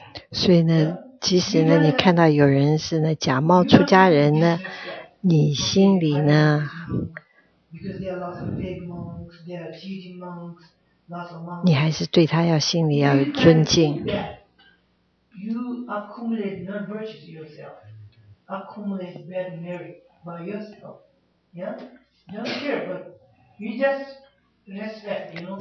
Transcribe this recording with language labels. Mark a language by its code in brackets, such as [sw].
[zh] 所以呢，即使呢你看到有人是呢假冒出家人呢，你心里呢？ [en] Because there are lots of big monks, there are teaching monks, lots of monks. [zh] 你还是对他要心里要尊敬。 [en] You accumulate non virtues yourself, accumulate bad merit by yourself. Yeah, don't care, but you just respect, you know.